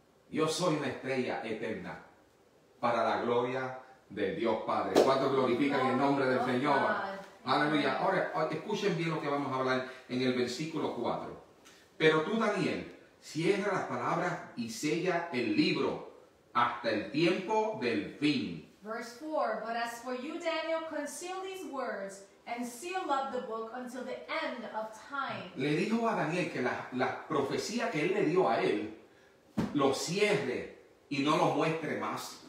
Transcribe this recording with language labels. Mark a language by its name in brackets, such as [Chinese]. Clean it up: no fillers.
[Spanish] Yo soy una estrella eterna para la gloria de Dios Padre. ¿Cuánto glorifican el nombre del Señor? Aleluya. Ahora, escuchen bien lo que vamos a hablar en el versículo 4. Pero tú, Daniel, cierra las palabras y sella el libro hasta el tiempo del fin. [English] Verse 4. But as for you, Daniel, conceal these words and seal up the book until the end of time. [Spanish] Le dijo a Daniel que la profecía que él le dio a él lo cierre y no lo muestre más.